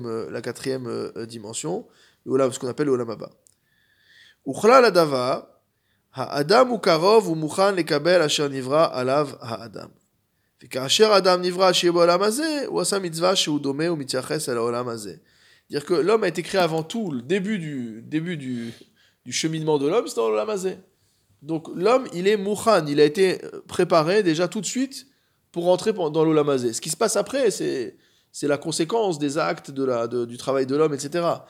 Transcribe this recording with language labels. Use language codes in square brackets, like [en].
[fr] La quatrième dimension, l'olam, ce qu'on appelle l'olam haba. Ukhla la dava. [he] האדם הוא קרוב ומוכן לקבל אשר נברא עליו האדם. וכאשר אדם נברא שיהיה בעולם הזה, הוא עשה מצווה שהוא דומה ומתייחס אל העולם הזה. [fr] C'est-à-dire que l'homme a été créé avant tout, le début du cheminement de l'homme, c'est dans l'olam hazeh. Donc l'homme, il est mukhan, il a été préparé déjà tout de suite pour rentrer dans l'olam hazeh. Ce qui se passe après, c'est la conséquence des actes du travail de l'homme, etc.